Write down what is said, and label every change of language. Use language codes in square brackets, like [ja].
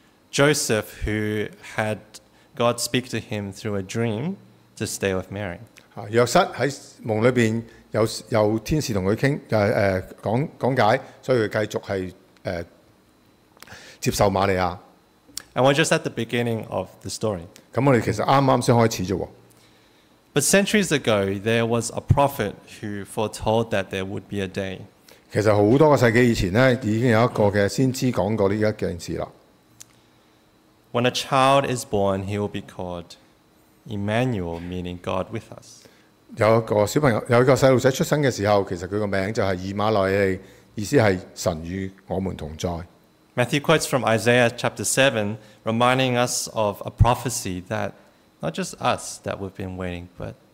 [en] Joseph, who had God speak to him through a dream to stay with Mary. [yue] 約瑟喺夢裏邊。有天使同佢傾，講解，所以佢繼續係接受瑪利亞。 [en] And we're just at the beginning of the story. [yue] 咁我哋其實啱啱先開始啫。 [en] But centuries ago, there was a prophet who foretold that there would be a day. [yue] 其實好多個世紀以前咧，已經有一個嘅先知講過呢一件事啦。 [en] When a child is born, he will be called Emmanuel, meaning God with us. [yue] 有一個小朋友，有一個細路仔出生嘅時候，其實佢個名就係以馬內利，意思係神與我們同在。 [en] Matthew quotes from Isaiah chapter 7, reminding us of a prophecy that not just us that we've been waiting, but